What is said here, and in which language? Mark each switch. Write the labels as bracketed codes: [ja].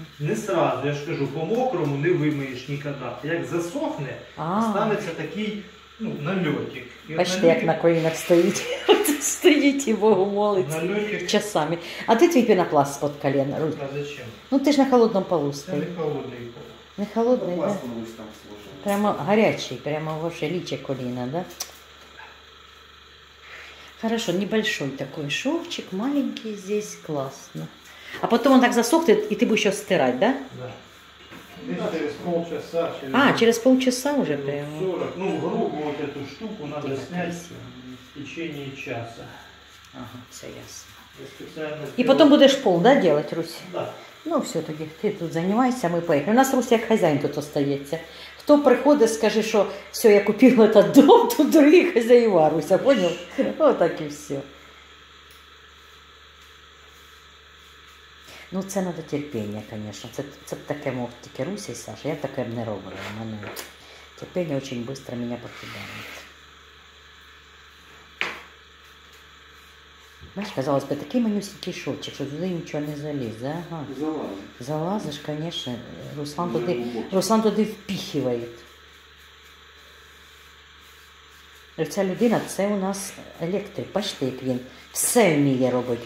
[ru] Не сразу, [uk] я ж кажу, по-мокрому не вимиєш ніколи. Як засохне, станеться такий нальотик. Бачите, як на колінах стоїть. Стоїть і Богу молиться часами. А ти твій пінопласт під коліна, Руся? [ru] А зачем? [uk] Ну ти ж на холодному полу стоїть. Я не холодний. [ru] Не холодный, да? Там прямо горячий, прямо вообще личи колено, да? Хорошо, небольшой такой шовчик, маленький здесь, классно. А потом он так засохнет, и ты будешь его стирать, да? Да. Через полчаса. Через полчаса уже прямо? 40. Ну, грубо вот эту штуку надо снять в течение часа. Ага, все ясно. И потом будешь пол, да, делать, Русь? Да. [uk] Ну все, тоді ти тут займайся, ми поїхали. У нас Русь як хазяїн тут остається. Хто приходить, скаже, що все, я купила цей дом, то другі хазяїва, Руся, поняв? Отак і все. Ну це треба терпіння, звісно. Це таке мов, тільки Руся і Саша, я таке б не робила. У мене терпіння дуже швидко мене покидає. [ru] Знаешь, казалось бы, такой манюсенький шовчик, что туда ничего не залезет, да? Ага. Залазишь. Залазишь, конечно. Руслан туда впихивает. Эта людина, это у нас электрик, почти как он все умеет делать.